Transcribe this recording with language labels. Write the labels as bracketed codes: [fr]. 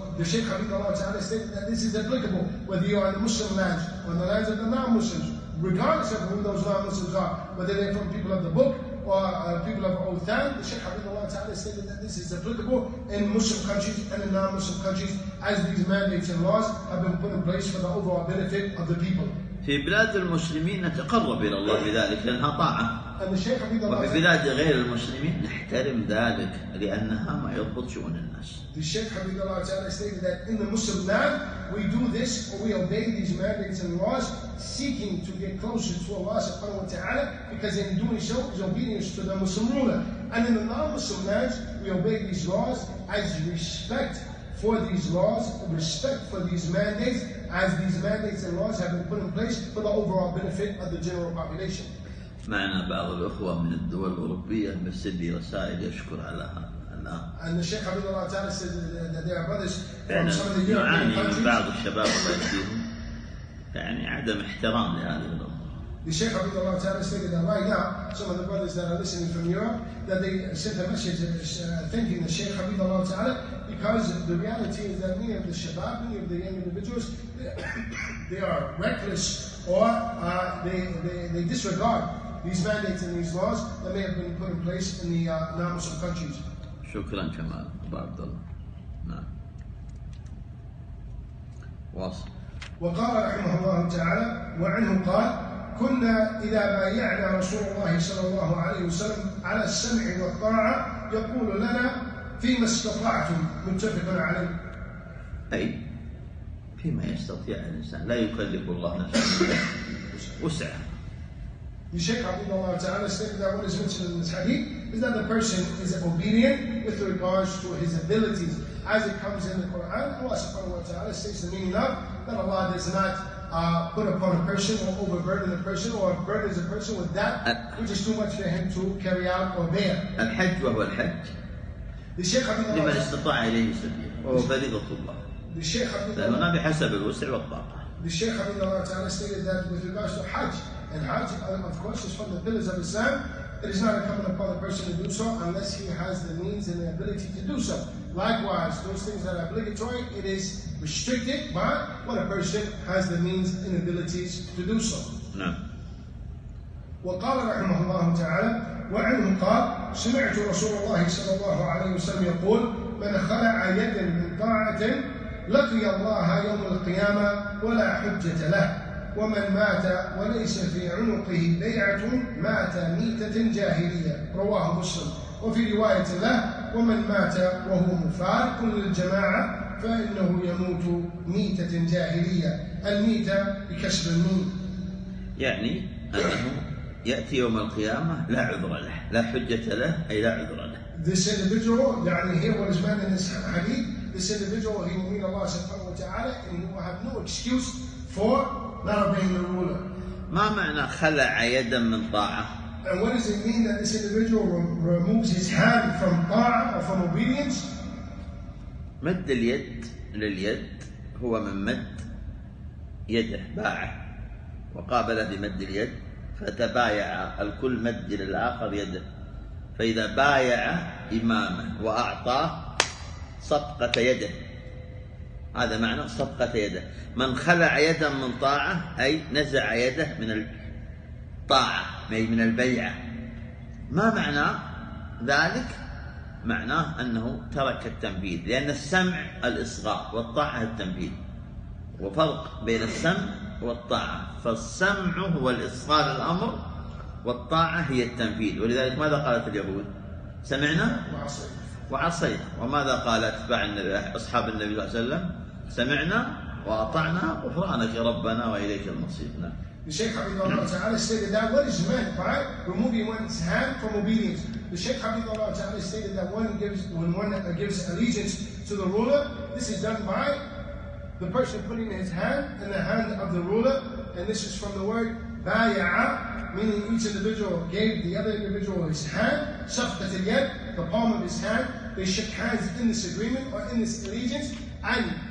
[en] The Shaykh Habibullah Ta'ala stated that this is applicable whether you are in the Muslim lands or in the lands of the non-Muslims, regardless of who those non-Muslims are. whether they're from people of the book or people of Authan, the Shaykh Habibullah Ta'ala stated that this is applicable in Muslim countries and in non-Muslim countries, as these mandates and laws have been put in place for the overall benefit of the people. [ar] في بلاد المسلمين نتقرب إلى الله بذلك لأنها طاعة. وفي بلاد غير المسلمين نحترم ذلك لأنها ما يضبط شؤون الناس. [en] The Sheikh Habibullah Ta'ala stated that in the Muslim land we do this or we obey these mandates and laws seeking to get closer to Allah Subhanahu wa Ta'ala because in doing so is obedience to the Muslim ruler. And in the non-Muslim lands we obey these laws as respect for these laws, respect for these mandates. As these mandates and laws have been put in place for the overall benefit of the general population. [ar] معنا بعض الأخوة من الدول الأوروبية مرسل لي رسائل يشكر على [en] And the Sheikh Habib Allah Ta'ala says that there are brothers from some of the European countries. [ar] يعاني بعض الشباب الله يهديهم يعني عدم احترام لهذه الأمور. [en] The Sheikh Habib Allah Ta'ala stated that right now some of the brothers that are listening from Europe that they sent a message thanking the Sheikh Habib Allah Ta'ala. Because the reality is that many of the Shabab, many of the young individuals, they are reckless or they disregard these mandates and these laws that may have been put in place in the non-Muslim countries. Shukran Kamal, Abdullah. Nah. Was. [ar] وقال رحمه الله تعالى وعنه قال كنا إذا بايعنا رسول الله صلى الله عليه وسلم على السمع والطاعة يقول لنا فيما استطعتم متفق عليه اي فيما يستطيع الانسان لا يكلف الله نفسه وسعه الشيخ عبد الله تعالى [en] said that what is mentioned in this hadith is that the person is obedient with regards to his abilities as it comes in the Quran Allah subhanahu wa ta'ala says the meaning of that Allah does not put upon a person or overburden a person or burdens a person with that which is too much for him to carry out or bear [ar] الحج وهو الحج لمن استطاع إليه سبيل وفريضة الله فهنا بحسب الوسع والطاقة الشيخ عبد الله تعالى [en] stated that with regards to Hajj and Hajj of course is from the pillars of Islam it is not incumbent upon the person to do so unless he has the means and the ability to do so likewise those things that are obligatory it is restricted by when a person has the means and abilities to do so [ar] نعم وقال رحمه الله تعالى وعنه قال سمعت رسول الله صلى الله عليه وسلم يقول من خلع يدا من طاعة لقي الله يوم القيامة ولا حجة له ومن مات وليس في عنقه بيعة مات ميتة جاهلية رواه مسلم وفي رواية له ومن مات وهو مفارق للجماعة فإنه يموت ميتة جاهلية الميتة بكسب الميت يعني يأتي يوم القيامة لا عذر له لا حجة له أي لا عذر له [en] This individual, [ar] يعني [en] here what is meant in this hadith This individual, he will meet Allah subhanahu wa ta'ala and he will have no excuse for not obeying the ruler [ar] ما معنى خلع يدا من طاعة [en] And what does it mean that this individual removes his hand from طاعة or from obedience [ar] مد اليد لليد هو من مد يده باعه وقابل بمد اليد فتبايع الكل مد للآخر يده فإذا بايع إمامه وأعطاه صفقة يده هذا معنى صفقة يده من خلع يدا من طاعة أي نزع يده من الطاعة أي من البيعة ما معنى ذلك؟ معناه أنه ترك التنفيذ لأن السمع الإصغاء والطاعة التنفيذ وفرق بين السمع والطاعة فالسمع هو الإصغاء للأمر والطاعة هي التنفيذ ولذلك ماذا قالت اليهود سمعنا وعصينا وماذا قال أتباع النبي أصحاب النبي صلى الله عليه وسلم سمعنا وأطعنا غفرانك ربنا وإليك المصير نعم [en] The Shaykh Habibullah Ta'ala stated that what is meant by removing one's hand from obedience? The Shaykh Habibullah Ta'ala stated that when one gives allegiance to the ruler, this is done by the person putting his hand in the hand of the ruler, and this is from the word bay'a, meaning each individual gave the other individual his hand, safqat al-yad, the palm of his hand, they shook hands in this agreement or in this allegiance, and